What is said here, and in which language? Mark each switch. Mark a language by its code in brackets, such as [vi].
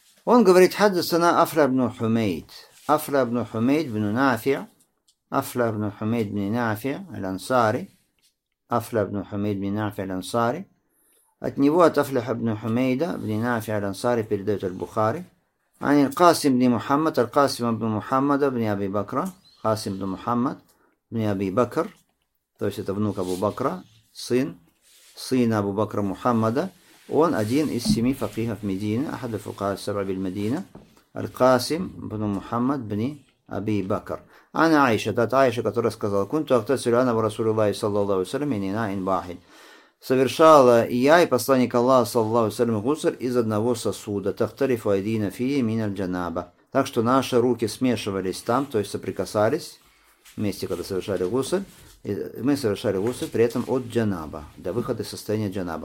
[ru] Он говорит, хаддасана Афля ибн Хумейд. Афля ибн Хумейд ибн Нафи, Афля ибн Хумейд ибн Нафи аль-Ансари, Афля ибн Хумейд ибн Нафи аль-Ансари. От него, от Афля ибн Хумейда ибн Нафи аль-Ансари, передает аль-Бухари. [ar] عن القاسم بن محمد القاسم بن محمد بن أبي بكر قاسم بن محمد بن أبي بكر [ru] то есть это внук Абу Бакра, сын Абу Бакра Мухаммада. Он один из семи факихов Медины, [ar] أحد الفقهاء السبع بالمدينة. القاسم بن محمد بن أبي بكر. عن عائشة, [ru] от Аиши, которая сказала, [ar] كنت أغتسل أنا ورسول الله صلى الله عليه وسلم من إناء واحد. [ru] Совершала я и посланник Аллаха, саллаллаху алейхи ва саллям, гусль из одного сосуда. [ar] Тахтарифу айдина фии мин аль-джанаба. [ru] Так что наши руки смешивались там, то есть соприкасались вместе, когда совершали гусль. И мы совершали гусль при этом от джанаба, до выхода из состояния джанаба.